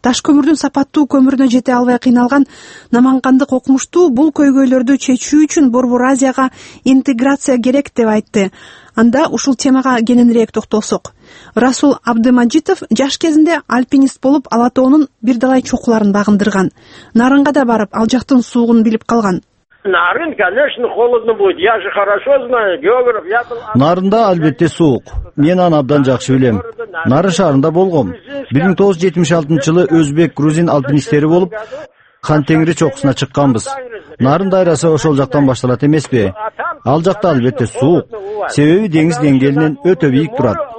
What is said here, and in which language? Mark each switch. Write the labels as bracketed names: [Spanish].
[Kyrgyz] Таш көмүрдүн сапаттуу көмүрүнө жете албай кыйналган намангандык окумуштуу бул көйгөйлөрдү чечүү үчүн Борбор Азияга интеграция керек деп айтты. Анда ушул темага кененирээк токтолсок. Расул Абдымажитов жаш кезинде альпинист болуп Ала тоонун бир далай чокуларын багындырган. Нарынга да барып ал жактын суугун билип калган. [Russian] Нарын, конечно, холодно будет. Я же хорошо знаю географ. [Kyrgyz] Нарында албетте суук. Мен аны абдан жакшы билем. Нарын шаарында болгом. 1976 жылы өзбек грузин альпинисттери болуп Кан Теңири чокусуна чыкканбыз. Нарын дайрасы ошол жактан башталат эмеспи? Ал жакта албетте суук. Себеби деңиз деңгээлинен өтө бийик турат.